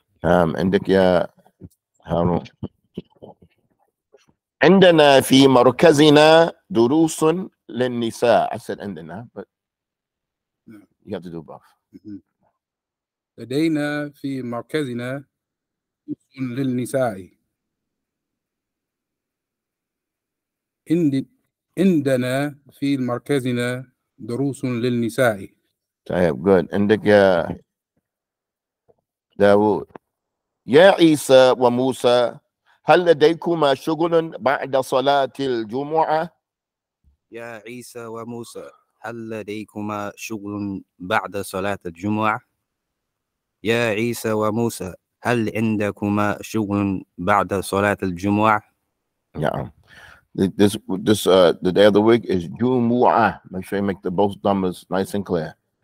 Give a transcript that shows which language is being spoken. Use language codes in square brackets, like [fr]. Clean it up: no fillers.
[ar] نعم عندك يا عندنا في مركزنا دروس للنساء. [en] I said عندنا, but you have to do both. [ar] لدينا في مركزنا دروس للنساء. عندنا في مركزنا دروس للنساء. طيب, good. عندك يا داوود. يا عيسى وموسى هل لديكما شغل بعد صلاة الجمعة؟ يا عيسى وموسى هل لديكما شغل بعد صلاة الجمعة؟ يا عيسى وموسى، هل عندكما شغل بعد صلاة الجمعة؟ نعم. [en] The day of the week is Jumu'a. Make sure you make the both dhammas nice and clear.